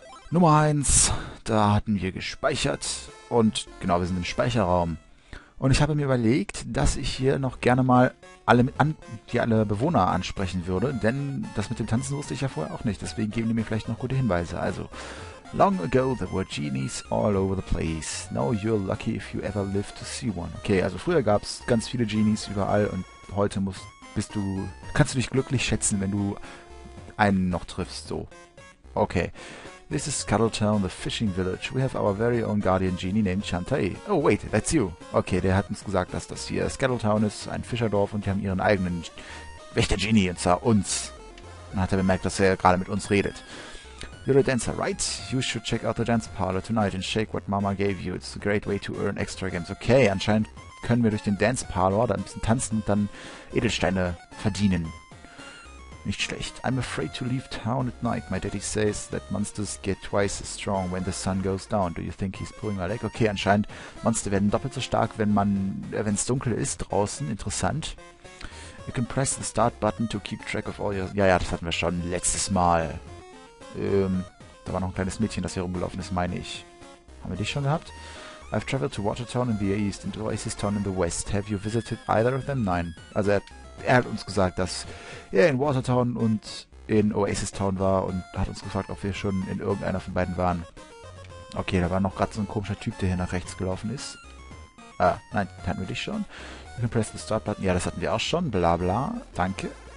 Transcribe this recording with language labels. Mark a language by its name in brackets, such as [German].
[German] Nummer 1, da hatten wir gespeichert. Und genau, wir sind im Speicherraum. Und ich habe mir überlegt, dass ich hier noch gerne mal alle Bewohner ansprechen würde, denn das mit dem Tanzen wusste ich ja vorher auch nicht. Deswegen geben die mir vielleicht noch gute Hinweise. [English] Also, long ago there were genies all over the place. Now you're lucky if you ever live to see one. [German] Okay, also früher gab es ganz viele Genies überall und heute kannst du dich glücklich schätzen, wenn du einen noch triffst. [English] So. Okay. This is Scuttletown, the fishing village. We have our very own guardian genie named Shantae. Oh, wait, that's you. [German] Okay, der hat uns gesagt, dass das hier Scuttletown ist, ein Fischerdorf, und die haben ihren eigenen Wächter-Genie, und zwar uns. Dann hat er bemerkt, dass er gerade mit uns redet. [English] You're a dancer, right? You should check out the dance parlor tonight and shake what Mama gave you. It's a great way to earn extra games. [German] Okay, anscheinend können wir durch den Dance Parlor dann ein bisschen tanzen und dann Edelsteine verdienen. Nicht schlecht. [English] I'm afraid to leave town at night. My daddy says that monsters get twice as strong when the sun goes down. Do you think he's pulling my leg? [German] Okay, anscheinend Monster werden doppelt so stark, wenn es dunkel ist draußen. Interessant. [English] You can press the start button to keep track of all your. [German] Ja, das hatten wir schon letztes Mal. Da war noch ein kleines Mädchen, das hier rumgelaufen ist, meine ich. Haben wir dich schon gehabt? [English] I've traveled to Watertown in the east and Oasis Town in the west. Have you visited either of them? [German] Nein. Also er hat uns gesagt, dass er in Watertown und in Oasis Town war und hat uns gefragt, ob wir schon in irgendeiner von beiden waren. Okay, da war noch gerade so ein komischer Typ, der hier nach rechts gelaufen ist. Ah, nein, hatten wir dich schon. [English] You can press the start button. [German] Ja, das hatten wir auch schon. Bla bla. Danke.